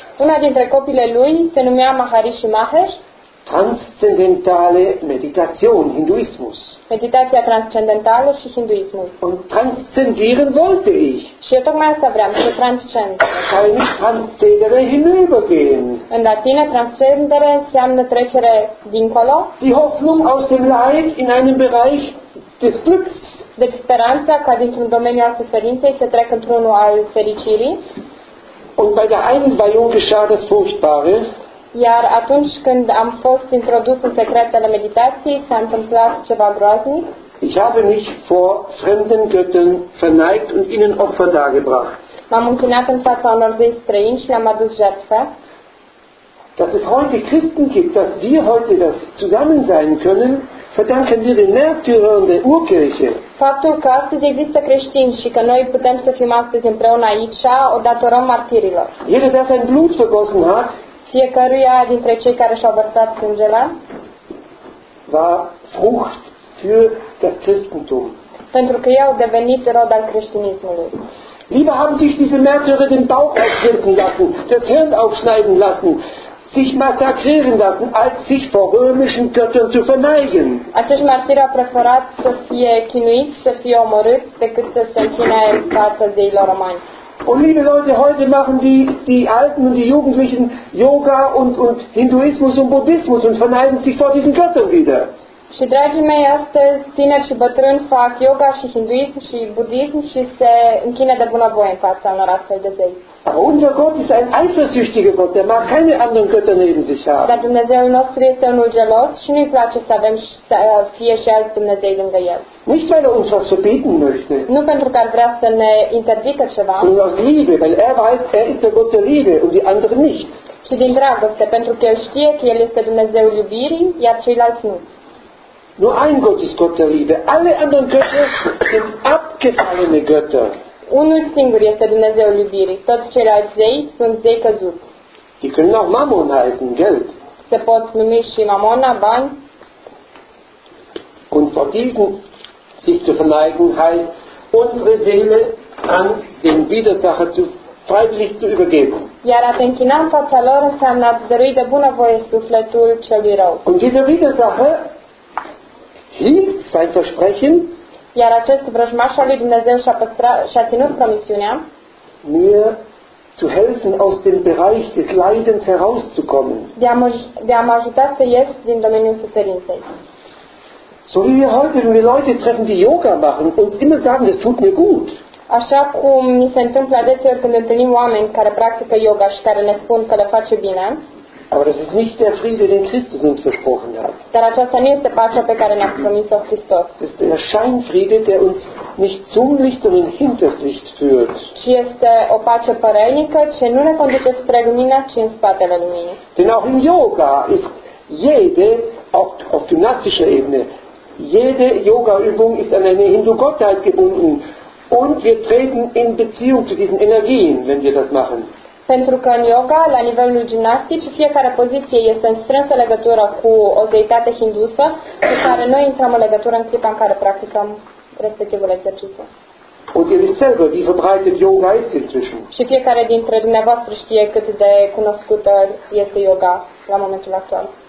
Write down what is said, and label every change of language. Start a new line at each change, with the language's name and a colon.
Romanian: Una dintre copiile lui se numea Maharishi Mahesh.
German: Transzendentale Meditation, Hinduismus.
Romanian: Meditația transcendentală și hinduismul.
German: Und transzendieren wollte ich.
Romanian: Și eu tocmai asta vreau, să transcend. Care nici transcendere hinübergehen. În latină, transcendere înseamnă trecere dincolo.
German: Die Hoffnung aus dem Leid in einen Bereich des Glücks.
Romanian: Deci speranța ca dintr-un domeniu al suferinței să trec într-unul al fericirii.
German: Und bei der Einweihung geschah das Furchtbare.
Romanian: Iar atunci când am fost introdus în secretele meditației, s-a întâmplat ceva groaznic.
German: Ich habe mich vor fremden Göttern verneigt und ihnen Opfer dargebracht.
Romanian: M-am închinat în fața unor zei străini și le-am adus jertfe.
German: Dass es heute Christen gibt, dass wir heute das zusammen sein können, verdanken wir den Märtyrern der Urkirche.
Romanian: Faptul că astăzi există creștini și că noi putem să fim astăzi împreună aici, o datorăm martirilor.
German: Jeder, der sein Blut vergossen hat,
Romanian: fiecăruia dintre cei care și-au vărsat sângele
German: war Frucht für das Christentum.
Romanian: Pentru că ei au devenit rod al creștinismului.
German: Lieber haben sich diese Märtyrer den Bauch ausschlitten lassen, das Hirn aufschneiden lassen, sich massakrieren lassen, als sich vor römischen Göttern zu verneigen.
Romanian: Acești martiri au preferat să fie chinuiți, să fie omorâți, decât să se închine în fața zeilor romani.
German: Und liebe Leute, heute machen die Alten und die Jugendlichen Yoga und Hinduismus und Buddhismus und verneigen sich vor diesen Göttern wieder.
Romanian: Și dragii mei, astăzi tineri și bătrâni fac yoga și hinduism și budism și se închină de bunăvoie în fața unor astfel de zei.
German: Aber unser Gott ist ein eifersüchtiger Gott, der mag keine anderen Götter neben sich haben.
Romanian: Dar Dumnezeul nostru este unul gelos și nu-i place să avem fie și alți Dumnezei lângă El.
German: Nicht weil er uns was verbieten möchte.
Romanian: Nu pentru că ar vrea să ne interzică ceva.
German: Sondern aus Liebe, weil er weiß, er ist der Gott der Liebe und die anderen nicht.
Romanian: Și din dragoste, pentru că El știe că El este Dumnezeul iubirii, iar ceilalți nu.
German: Nur ein Gott ist Gott der Liebe. Alle anderen Götter sind abgefallene Götter.
Romanian: Unul singur este Dumnezeul iubirii. Toți ceilalți zei sunt zei căzuți.
German: Die können auch Mammon heißen, Geld.
Romanian: Se pot numi și mamona, bani.
German: Und vor diesen sich zu verneigen heißt, unsere Seele an den Widersacher zu freiwillig zu übergeben.
Romanian: Iar a te închina în fața lor înseamnă a-ți dărui de bunăvoie sufletul celui rău.
German: Und diese Widersacher hielt sein Versprechen.
Romanian: Iar acest vrăjmaș al lui Dumnezeu și-a ținut promisiunea.
German: Mir zu helfen, aus dem Bereich des Leidens herauszukommen.
Romanian: De a mă ajuta să ies din domeniul suferinței.
German: So wie wir heute, wenn wir Leute treffen, die Yoga machen und immer sagen, das tut mir gut.
Romanian: Așa cum ni se întâmplă adeseori când întâlnim oameni care practică yoga și care ne spun că le face bine.
German: Aber das ist nicht der Friede, den Christus uns versprochen hat.
Romanian: Dar aceasta nu este pacea pe care ne-a promis-o Hristos.
German: Das ist der Scheinfriede, der uns nicht zum Licht, sondern hinters Licht führt.
Romanian: Și este o pace părăinică, ce nu ne conduce spre lumină, ci în spatele luminii.
German: Denn auch in Yoga ist jede, auch auf gymnastischer Ebene, jede Yoga-Übung ist an eine Hindu-Gottheit gebunden. Und wir treten in Beziehung zu diesen Energien, wenn wir das machen.
Romanian: Pentru că în yoga, la nivelul gimnastic, fiecare poziție este în strânsă legătură cu o zeitate hindusă, cu care noi intrăm în legătură în clipa în care practicăm respectivul exercițiu.
German: Und ihr wisst selber, wie verbreitet Yoga ist inzwischen.
Romanian: Și fiecare dintre dumneavoastră știe cât de cunoscută este yoga la momentul actual.